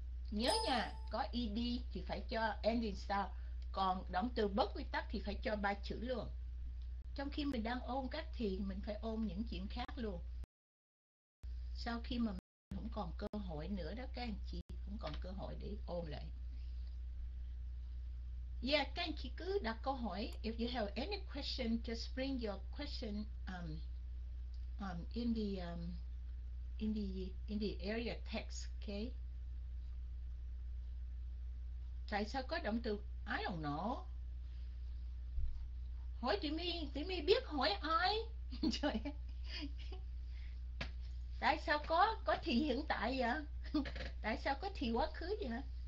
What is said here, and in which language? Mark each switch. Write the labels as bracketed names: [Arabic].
[Vietnamese] Nhớ nha, có ED thì phải cho ending sound, còn động từ bất quy tắc thì phải cho ba chữ luôn. Trong khi mình đang ôn các thì mình phải ôn những chuyện khác luôn. Sau khi mà mình không còn cơ hội nữa đó các anh chị, không còn cơ hội để ôn lại. Yeah, các anh chị cứ đặt câu hỏi. [English] If you have any question, just bring your question in the area text, okay? [Vietnamese] Tại sao có động từ [English] I don't know? [Vietnamese] Hỏi Tiểu My biết hỏi ai? Trời ơi. Tại sao có thì hiện tại vậy? Tại sao có thì quá khứ vậy?